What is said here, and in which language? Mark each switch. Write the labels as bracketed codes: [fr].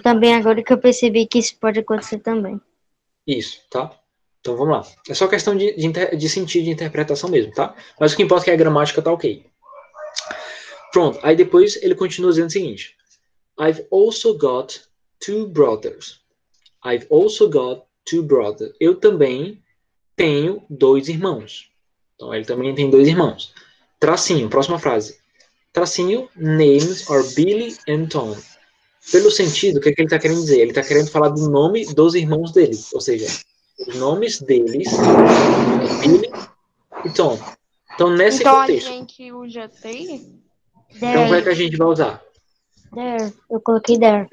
[pt] Também agora que eu percebi que isso pode acontecer também. Isso, tá? Então vamos lá. É só questão de sentido de interpretação mesmo, tá? Mas o que importa é que a gramática tá ok. Pronto. Aí depois ele continua dizendo o seguinte: [en] I've also got two brothers. I've also got two brothers. [pt] Eu também tenho dois irmãos. Então ele também tem dois irmãos. Tracinho, próxima frase. Tracinho, [en] names are Billy and Tom. [pt] Pelo sentido, o que é que ele tá querendo dizer? Ele tá querendo falar do nome dos irmãos dele, ou seja, os nomes deles, Billy e Tom. Então, nesse Então a contexto, gente usa tem então, como é que a gente vai usar? there, eu coloquei there.